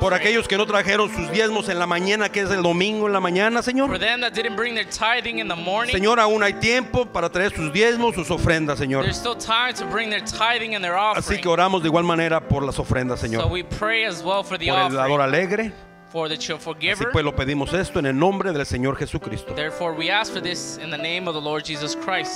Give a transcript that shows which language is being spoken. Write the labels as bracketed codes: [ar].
[es] Por aquellos que no trajeron sus diezmos en la mañana, que es el domingo en la mañana, Señor. [en] For them that didn't bring their tithing in the morning. [es] Señor, aún hay tiempo para traer sus diezmos, sus ofrendas, Señor. [en] There's still time to bring their tithing and their offering. [es] Así que oramos de igual manera por las ofrendas, Señor. [en] So we pray as well for the offering. [es] Por el dador alegre. [en] For the cheerful giver. [es] Así pues lo pedimos esto en el nombre del Señor Jesucristo. [en] Therefore we ask for this in the name of the Lord Jesus Christ.